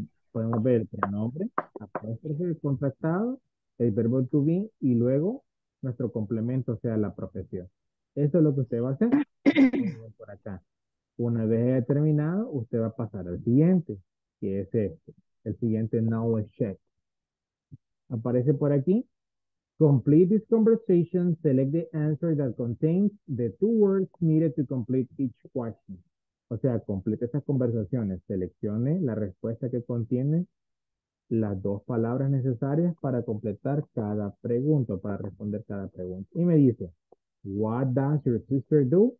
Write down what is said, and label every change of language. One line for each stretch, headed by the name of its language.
Spanish: Podemos ver el pronombre, apóstrofe contractado, el verbo to be, y luego nuestro complemento, o sea, la profesión. Eso es lo que usted va a hacer por acá. Una vez haya terminado, usted va a pasar al siguiente, que es este, el siguiente knowledge check. Aparece por aquí.
English: Complete this conversation. Select the answer that contains the two words needed to complete each question.
Spanish: O sea, complete esas conversaciones. Seleccione la respuesta que contiene las dos palabras necesarias para completar cada pregunta, para responder cada pregunta. Y me dice,
English: What does your sister do?